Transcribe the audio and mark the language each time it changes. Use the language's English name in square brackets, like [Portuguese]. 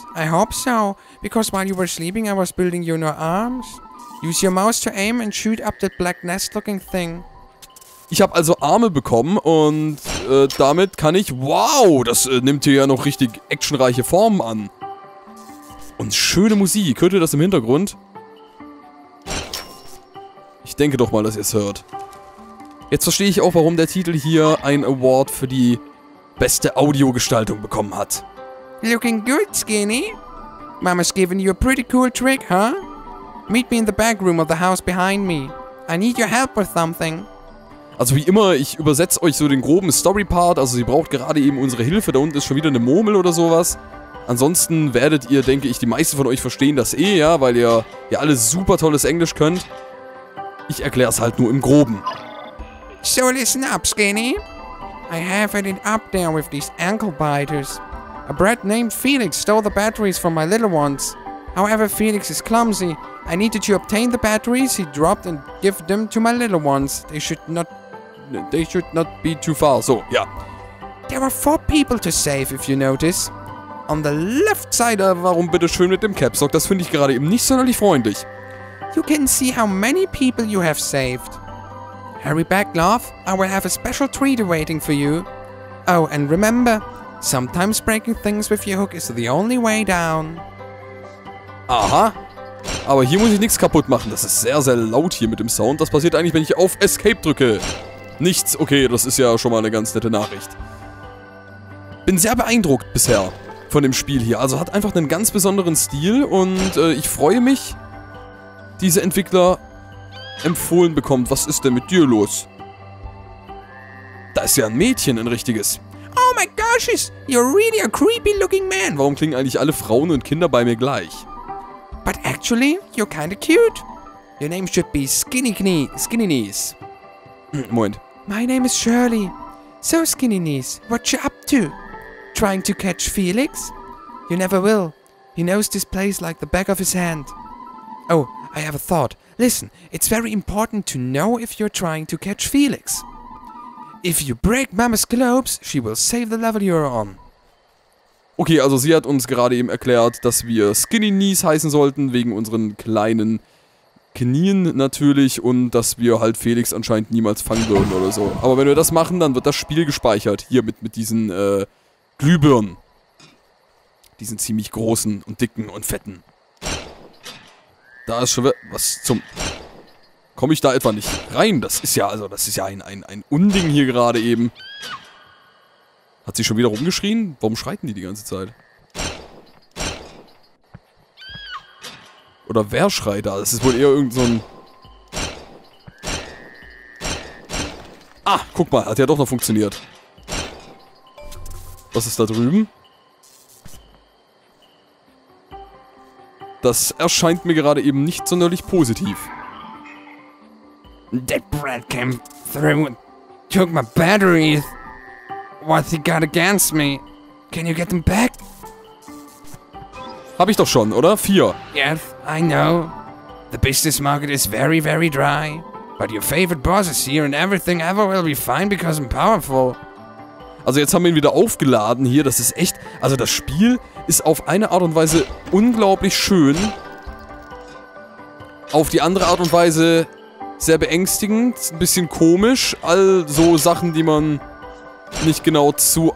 [English] I hope so, because while you were sleeping, I was building you new arms. Use your mouse to aim and shoot up that black nest-looking thing. [German] Ich habe also Arme bekommen und damit kann ich... Wow, das nimmt hier ja noch richtig actionreiche Formen an. Und schöne Musik. Hört ihr das im Hintergrund? Ich denke doch mal, dass ihr es hört. Jetzt verstehe ich auch, warum der Titel hier ein Award für die beste Audiogestaltung bekommen hat. [English] Looking good, Skinny. Mama's giving you a pretty cool trick, huh? Meet me in the back room of the house behind me. I need your help with something. [German] Also wie immer, ich übersetze euch so den groben Story-Part. Also sie braucht gerade eben unsere Hilfe. Da unten ist schon wieder eine Murmel oder sowas. Ansonsten werdet ihr, denke ich, die meisten von euch verstehen das eh, ja? Weil ihr ja alle super tolles Englisch könnt. Ich erkläre es halt nur im Groben. [English] So listen up, Skinny. I have it up there with these ankle biters. A brat named Felix stole the batteries from my little ones. However, Felix is clumsy. I need that you obtain the batteries he dropped and give them to my little ones. They should not be too far. So, ja. There are four people to save, if you notice. On the left side. [German] Warum bitte schön mit dem Caps Lock? Das finde ich gerade eben nicht sonderlich freundlich. [English] You can see how many people you have saved. Harry Backlove, I will have a special treat waiting for you. Oh, and remember, sometimes breaking things with your hook is the only way down. [German] Aha. Aber hier muss ich nichts kaputt machen. Das ist sehr, sehr laut hier mit dem Sound. Das passiert eigentlich, wenn ich auf Escape drücke. Nichts. Okay, das ist ja schon mal eine ganz nette Nachricht. Bin sehr beeindruckt bisher von dem Spiel hier. Also hat einfach einen ganz besonderen Stil und ich freue mich, diese Entwickler empfohlen bekommt. Was ist denn mit dir los? Da ist ja ein Mädchen, ein richtiges. [English] Oh my gosh, you're really a creepy looking man. [German] Warum klingen eigentlich alle Frauen und Kinder bei mir gleich? [English] But actually, you're kinda cute. Your name should be Skinny Knee, Skinny Knees. [German] Moment. [English] My name is Shirley. So Skinny Knees, what you up to? Trying to catch Felix? You never will. He knows this place like the back of his hand. Oh, I have a thought. Listen, it's very important to know if you're trying to catch Felix. If you break Mama's globes, she will save the level you're on. [German] Okay, also sie hat uns gerade eben erklärt, dass wir Skinny Knees heißen sollten, wegen unseren kleinen Knien natürlich, und dass wir halt Felix anscheinend niemals fangen würden oder so. Aber wenn wir das machen, dann wird das Spiel gespeichert, hier mit diesen Glühbirnen. Diesen ziemlich großen und dicken und fetten. Da ist schon was zum... Komme ich da etwa nicht rein? Das ist ja ein Unding hier gerade eben. Hat sie schon wieder rumgeschrien? Warum schreiten die ganze Zeit? Oder wer schreit da? Das ist wohl eher irgend so ein... Ah, guck mal, hat ja doch noch funktioniert. Was ist da drüben? Das erscheint mir gerade eben nicht sonderlich positiv. [English] That brat came through and took my batteries. What's he got against me? Can you get them back? [German] Hab ich doch schon, oder? Vier. [English] Yes, I know. The business market is very, very dry. But your favorite boss is here and everything ever will be fine because I'm powerful. [German] Also jetzt haben wir ihn wieder aufgeladen hier. Das ist echt... Also das Spiel ist auf eine Art und Weise unglaublich schön. Auf die andere Art und Weise sehr beängstigend. Ein bisschen komisch. All so Sachen, die man... Nicht genau zu...